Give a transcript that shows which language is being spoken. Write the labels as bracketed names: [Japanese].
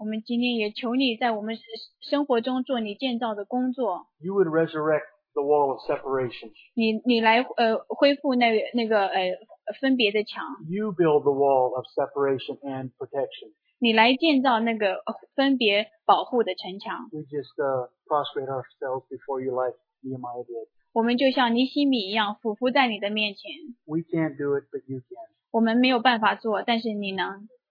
[Chinese] 我们今天也求你在我们生活中做你建造的工作。 [English] You would resurrect the wall of separation. [Chinese] 你来恢复那个分别的墙。 [English] You build the wall of separation and protection. [Chinese] 你来建造那个分别保护的城墙。 [English] We just prostrate ourselves before you like Nehemiah did. [Chinese] 我们就像尼希米一样俯伏在你的面前。 [English] We can't do it, but you can. [Chinese] 我们没有办法做，但是你能。